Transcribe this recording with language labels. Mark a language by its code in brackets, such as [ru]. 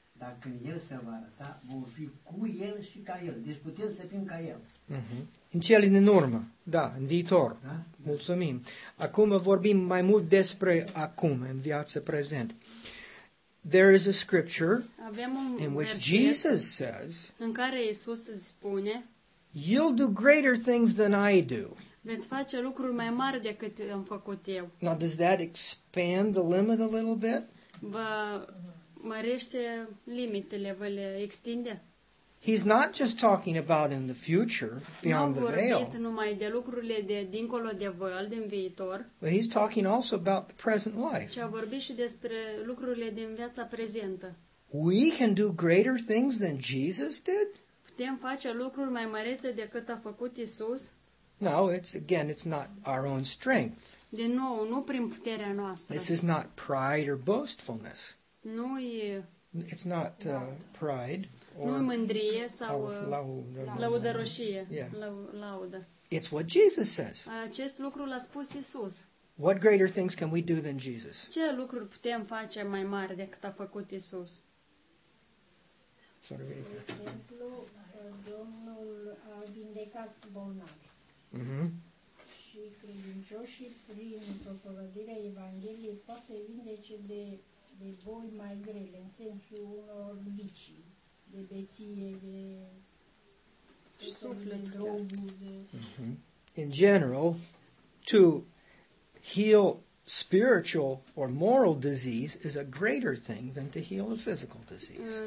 [ro] Dar când El se va arăta, vom fi cu El și ca El. Deci putem să fim ca El. Uh-huh. În cele din urmă, da, în viitor. Da? Mulțumim. Acum vorbim mai mult despre acum, în viață prezent. [en] There is a scripture in which Jesus says, [ro] în care Iisus spune, [en] you'll do greater things than I do. [ro] Veți face lucruri mai mari decât am făcut eu. [en] Now, does that expand the limit a little bit? [ro] Vă mărește limitele, vă le extinde? [en] He's not just talking about in the future, beyond the veil. [ro] Nu vorbit numai de lucrurile de dincolo de [en] veil, [ro] din viitor. [en] But he's talking also about the present life. [ro] Și a vorbit și despre lucrurile din viața prezentă. [en] We can do greater things than Jesus did? [ro] Putem face lucruri mai mărețe decât a făcut Isus? [en] No, it's not our own strength. [ro] Din nou, nu prin puterea noastră. [en] This is not pride or boastfulness. [ro] Nu e. [en] It's not pride. [ro] Nu mândrie sau laudăroșie. Laudă. [en] It's what Jesus says. [ro] Acest lucru l-a spus Isus. [en] What greater things can we do than Jesus? [ro] Ce lucruri putem face mai mari decât a făcut Isus? [en] Sorry. [ro] De exemplu, Domnul a vindecat bolnavi. Mm-hmm. Și credincioșii prin propovădirea Evangheliei poate vindece de boli mai grele, în sensul unor vicii. De beție, de suflet, de droguri. [en] In general, to heal spiritual or moral disease is a greater thing than to heal a physical disease.